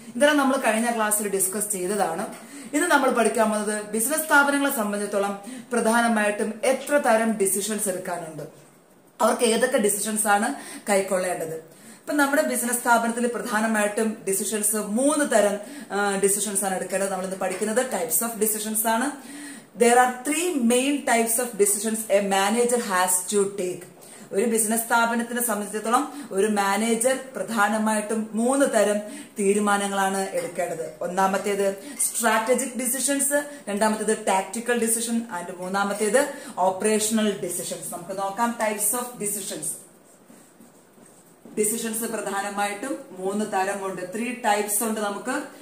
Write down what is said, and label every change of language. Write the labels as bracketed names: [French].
[Malayalam] ഇതെല്ലാം നമ്മൾ കഴിഞ്ഞ ക്ലാസ്സിൽ ഡിസ്കസ് ചെയ്തതാണ്. ഇന്ന് നമ്മൾ പഠിക്കാൻ പോകുന്നത് ബിസിനസ് സ്ഥാപനങ്ങളെ സംബന്ധിച്ചിടത്തോളം പ്രധാനമായിട്ടും എത്ര തരം ഡിസിഷൻസ് എടുക്കാനുണ്ട്, അവർക്ക് ഏതൊക്കെ ഡിസിഷൻസ് ആണ് കൈക്കൊള്ളേണ്ടത്. ഇപ്പൊ നമ്മുടെ ബിസിനസ് സ്ഥാപനത്തിൽ പ്രധാനമായിട്ടും ഡിസിഷൻസ് മൂന്ന് തരം ഡിസിഷൻസ് ആണ് എടുക്കേണ്ടത്. നമ്മൾ ഇന്ന് പഠിക്കുന്നത് ടൈപ്സ് ഓഫ് ഡിസിഷൻസ് ആണ്. [English] There are three main types of decisions a manager has to take. [Malayalam] ഒരു ബിസിനസ് സ്ഥാപനത്തിനെ സംബന്ധിച്ചിടത്തോളം ഒരു മാനേജർ പ്രധാനമായിട്ടും മൂന്ന് തരം തീരുമാനങ്ങളാണ് എടുക്കേണ്ടത്. ഒന്നാമത്തേത് സ്ട്രാറ്റജിക് ഡിസിഷൻസ്, രണ്ടാമത്തേത് ടാക്ടിക്കൽ ഡിസിഷൻ, ആൻഡ് മൂന്നാമത്തേത് ഓപ്പറേഷണൽ ഡിസിഷൻസ്. നമുക്ക് നോക്കാം ടൈപ്സ് ഓഫ് ഡിസിഷൻസ്. ഡിസിഷൻസ് പ്രധാനമായിട്ടും മൂന്ന് തരം ഉണ്ട്, ത്രീ ടൈപ്സ് ഉണ്ട് നമുക്ക്.